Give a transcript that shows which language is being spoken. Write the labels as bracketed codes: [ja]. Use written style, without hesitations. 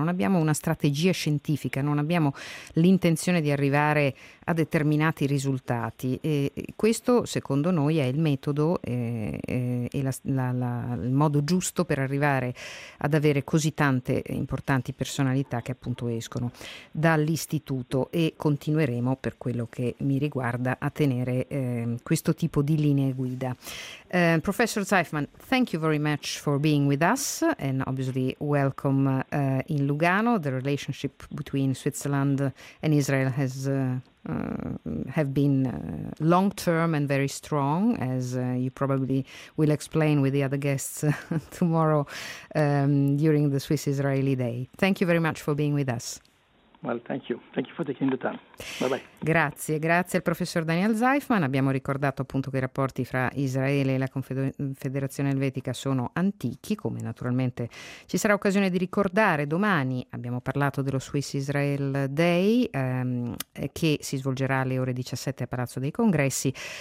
[it] Non abbiamo una strategia scientifica, non abbiamo l'intenzione di arrivare a determinati risultati, e questo secondo noi è il metodo e il modo giusto per arrivare ad avere così tante importanti personalità che appunto escono dall'istituto, e continueremo, per quello che mi riguarda, a tenere questo tipo di linee guida. [en] Professor Zeifman, thank you very much for being with us, and obviously welcome in Lugano. The relationship between Switzerland and Israel has have been long-term and very strong, as you probably will explain with the other guests tomorrow during the Swiss-Israeli Day. Thank you very much for being with us. Well, thank you for taking the time. Bye-bye. [it] Grazie al professor Daniel Zeifman. Abbiamo ricordato appunto che i rapporti fra Israele e la Confederazione Elvetica sono antichi, come naturalmente ci sarà occasione di ricordare domani. Abbiamo parlato dello Swiss Israel Day, che si svolgerà alle ore 17 a Palazzo dei Congressi.